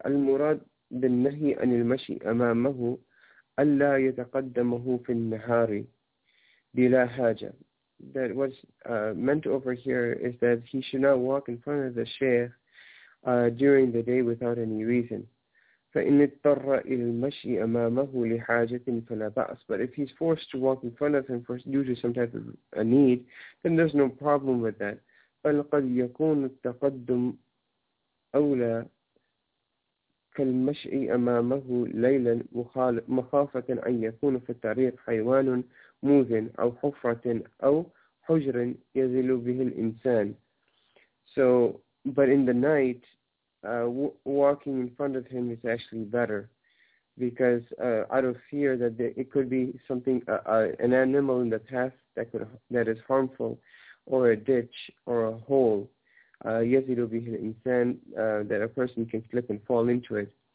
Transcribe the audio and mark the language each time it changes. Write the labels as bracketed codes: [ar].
[ar] المراد بالنهي عن المشي أمامه ألا يتقدمه في النهار. bila haja. [en] That what's meant over here is that he should not walk in front of the sheikh during the day without any reason. [ar] فإن اضطر إلى المشي أمامه لحاجة فلا بأس. [en] But if he's forced to walk in front of him for due to some type of a need, then there's no problem with that. [ar] بل قد يكون التقدم أولى كالمشي أمامه ليلا مخافة أن يكون في الطريق حيوان موذن أو حفرة أو حجر يزل به الإنسان. [en] So, but in the night, walking in front of him is actually better, because out of fear that it could be something, an animal in the path that is harmful, or a ditch or a hole, [ar] يزيلو به الإنسان, [en] that a person can slip and fall into it.